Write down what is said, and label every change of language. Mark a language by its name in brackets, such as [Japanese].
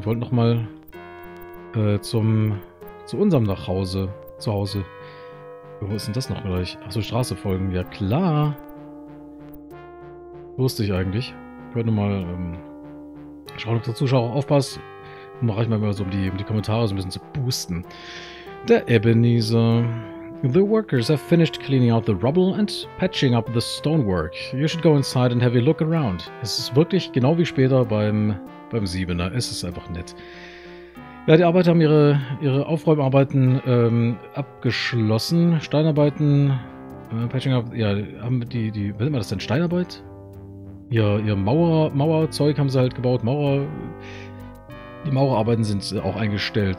[German] Wir wollten nochmal zu unserem nach Hause. Zu Hause. Wo ist denn das noch gleich? Achso, Straße folgen. Ja, klar. Wusste ich eigentlich. Ich werde nochmal schauen, ob der Zuschauer aufpasst. Dann mache ich mal so, um die Kommentare so ein bisschen zu boosten. Der Ebenezer. [English] The workers have finished cleaning out the rubble and patching up the stonework. You should go inside and have a look around. [German] Es ist wirklich genau wie später beim Siebener. Es ist einfach nett. Ja, die Arbeiter haben ihre Aufräumarbeiten abgeschlossen. Steinarbeiten, Patching up, ja, haben die, was nennt man das denn? Steinarbeit? Ihr Mauerzeug haben sie halt gebaut. Die Mauerarbeiten sind auch eingestellt.